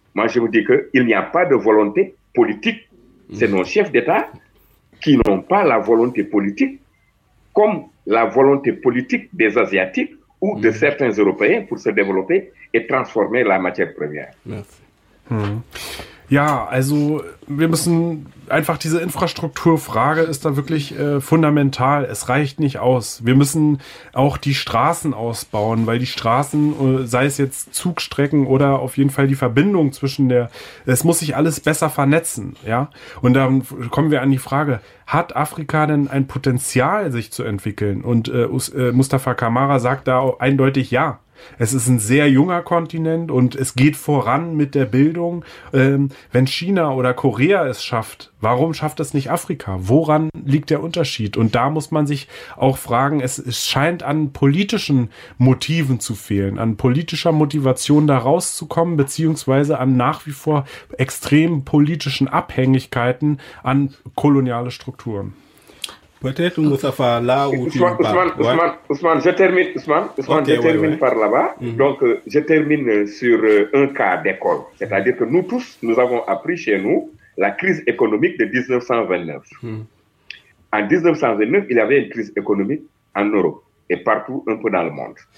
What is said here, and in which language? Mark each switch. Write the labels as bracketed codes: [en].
[fr] Moi, je vous dis qu'il n'y a pas de volonté politique. C'est nos chefs d'État qui n'ont pas la volonté politique, comme la volonté politique des Asiatiques ou de certains Européens pour se développer et transformer la matière première. Merci. [de] Ja, also wir müssen einfach diese Infrastrukturfrage ist da wirklich fundamental. Es reicht nicht aus. Wir müssen auch die Straßen ausbauen, weil die Straßen, sei es jetzt Zugstrecken oder auf jeden Fall die Verbindung zwischen der, es muss sich alles besser vernetzen, ja. Und dann kommen wir an die Frage, hat Afrika denn ein Potenzial, sich zu entwickeln? Und Mustafa Kamara sagt da eindeutig ja. Es ist ein sehr junger Kontinent und es geht voran mit der Bildung. Wenn China oder Korea es schafft, warum schafft es nicht Afrika? Woran liegt der Unterschied? Und da muss man sich auch fragen, es scheint an politischen Motiven zu fehlen, an politischer Motivation da rauszukommen, beziehungsweise an nach wie vor extrem politischen Abhängigkeiten an koloniale Strukturen. [fr] Peut-être Moustapha, là où Ousmane, je termine par là-bas. Mm-hmm. Donc, je termine sur un cas d'école. C'est-à-dire que nous tous, nous avons appris chez nous la crise économique de 1929. En 1929, il y avait une crise économique en Europe et partout un peu dans le monde.